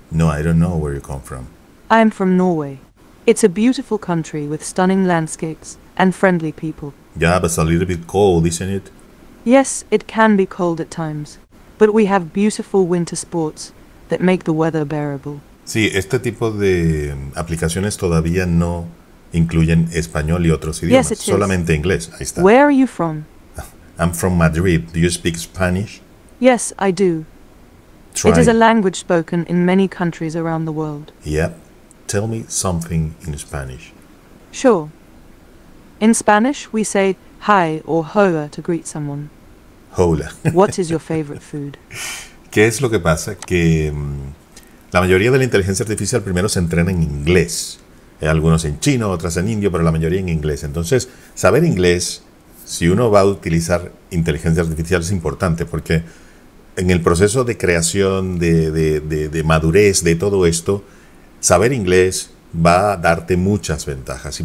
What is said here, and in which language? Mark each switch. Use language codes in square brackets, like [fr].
[en] No, I don't know where you come from. I am from Norway. It's a beautiful country with stunning landscapes and friendly people. Yeah, but it's a little bit cold, isn't it? Yes, it can be cold at times, but we have beautiful winter sports that make the weather bearable. [es] Sí, este tipo de aplicaciones todavía no incluyen español y otros idiomas, solamente inglés. Ahí está. [en] Where are you from? I'm from Madrid. Do you speak Spanish? Yes, I do. It is a language spoken in many countries around the world. Yeah. Tell me something in Spanish. Sure. In Spanish, we say hi or hola to greet someone. Hola. What is your favorite food? [es] ¿Qué es lo que pasa? Que la mayoría de la inteligencia artificial primero se entrena en inglés. Hay algunos en chino, otras en indio, pero la mayoría en inglés. Entonces, saber inglés, si uno va a utilizar inteligencia artificial, es importante, porque en el proceso de creación, de madurez, de todo esto, saber inglés va a darte muchas ventajas.